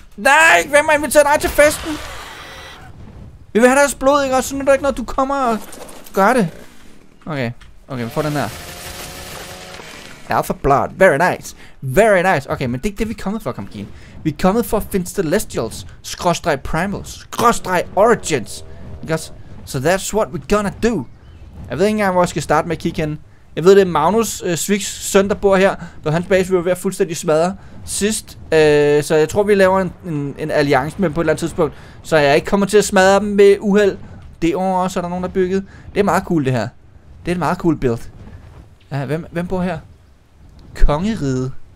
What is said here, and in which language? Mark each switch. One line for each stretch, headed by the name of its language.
Danish: Nej, hvem har inviteret dig til festen? Vi vil have deres blod, ikke? Og så er der ikke noget, du kommer og gør det. Okay, vi får den her.
English: Alpha blood. Very nice.
Danish: Okay, men det er ikke det, vi er kommet for, Kamkin. Vi er kommet for at finde Celestials, skråstrej Primals, skråstrej Origins.
English: Because, so that's what we're gonna do.
Danish: Jeg ved ikke engang, hvor jeg skal starte med at kigge hen. Jeg ved, det er Magnus Sviks søn, der bor her. Det var hans base, vi var ved at fuldstændig smadre sidst. Så jeg tror, vi laver en alliance med dem på et eller andet tidspunkt. Så jeg ikke kommer til at smadre dem med uheld. Det år også er der nogen, der bygget. Det er meget cool, det her. Det er en meget cool build. Hvem bor her? Kongeriget.